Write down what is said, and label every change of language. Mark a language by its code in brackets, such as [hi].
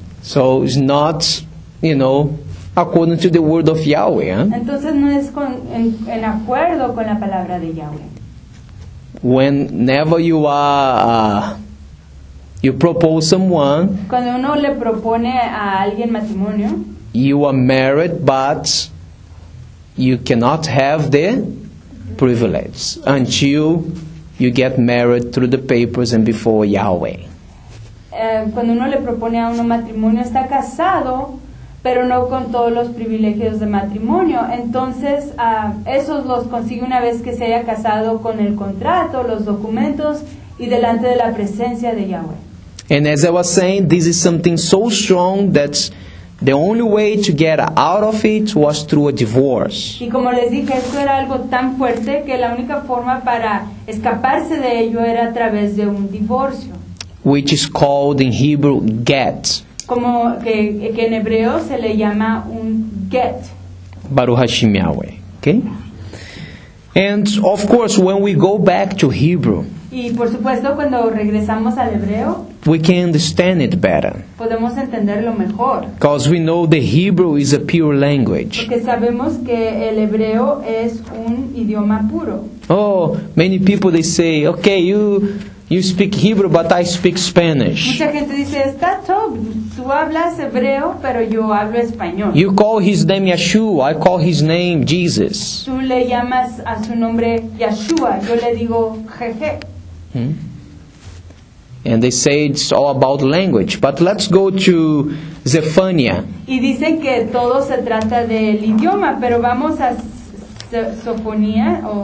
[en] So it's not, you know, according to the word of Yahweh. Huh? [es] Entonces no es en acuerdo con la palabra de Yahweh. [en] Whenever you are, you propose someone. [es] Cuando uno le propone a alguien matrimonio. [en] You are married, but you cannot have the privilege until you get married through the papers and before Yahweh. [es] Cuando uno le propone a uno matrimonio, está casado, pero no con todos los privilegios de matrimonio. Entonces, esos los consigue una vez que se haya casado con el contrato, los documentos, y delante de la presencia de Yahweh. [en] And as I was saying, this is something so strong that the only way to get out of it was through a divorce. [es] Y como les dije, esto era algo tan fuerte que la única forma para escaparse de ello era a través de un divorcio. [en] Which is called in Hebrew, get. [es] Como que en hebreo se le llama un get. [he] Baruch Hashem Yahweh. Okay? [en] And of course, when we go back to Hebrew, [es] y por supuesto, cuando regresamos al hebreo, [en] we can understand it better. [es] Podemos entenderlo mejor. [en] Because we know the Hebrew is a pure language. [es] Porque sabemos que el hebreo es un idioma puro. [en] Oh, many people, they say, okay, you speak Hebrew, but I speak Spanish. [es] Mucha gente dice, está todo. Tú hablas hebreo, pero yo hablo español. [en] You call his name Yeshua, I call his name Jesus. [es] Tú le llamas a su nombre Yeshua, yo le digo Jeje. [en] And they say it's all about language. But let's go to Zephaniah. [es] Y dicen que todo se trata del idioma, pero vamos a Zephaniah.